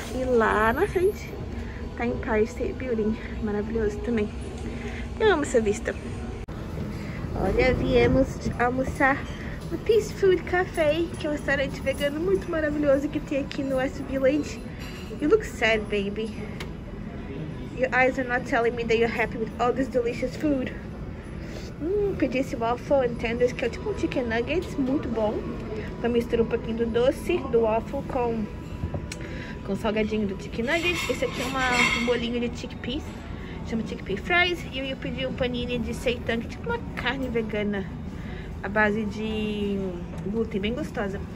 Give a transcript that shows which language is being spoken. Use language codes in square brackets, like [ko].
[pt] E lá na frente tá Empire State Building, maravilhoso também. Eu amo essa vista. Olha, viemos almoçar no Peace Food Cafe, que é um restaurante vegano muito maravilhoso que tem aqui no West Village. [en] You look sad, baby. Your eyes are not telling me that you're happy with all this delicious food. [pt] Pedi esse waffle and tenders, que é tipo um chicken nuggets, muito bom. Então misturo um pouquinho do doce do waffle com salgadinho do chicken nuggets. Esse aqui é um bolinho de chickpeas, chama chickpea fries. E eu pedi um panini de seitan, que é tipo uma carne vegana à base de glúten, bem gostosa.